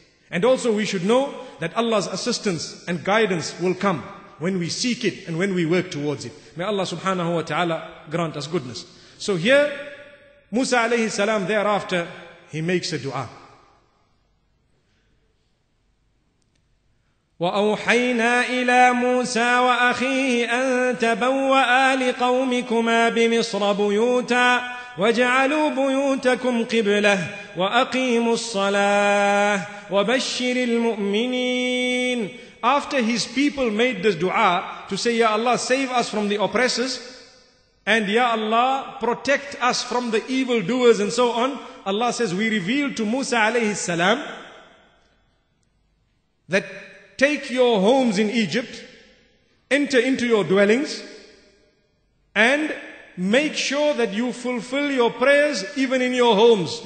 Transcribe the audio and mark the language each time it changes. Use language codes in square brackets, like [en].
[en] And also we should know that Allah's assistance and guidance will come when we seek it and when we work towards it. May Allah subhanahu wa ta'ala grant us goodness. So here, Musa alayhi salam, thereafter, he makes a dua. [ar] وأوحينا إلى موسى وأخيه أن تبوأ لقومكما بمصر بيوتا واجعلوا بيوتكم قبلة وأقيموا الصلاة وبشر المؤمنين. [en] After his people made this dua to say, Ya Allah, save us from the oppressors and Ya Allah, protect us from the evildoers and so on, Allah says, we revealed to Musa alayhi salam that take your homes in Egypt, enter into your dwellings, and make sure that you fulfill your prayers even in your homes.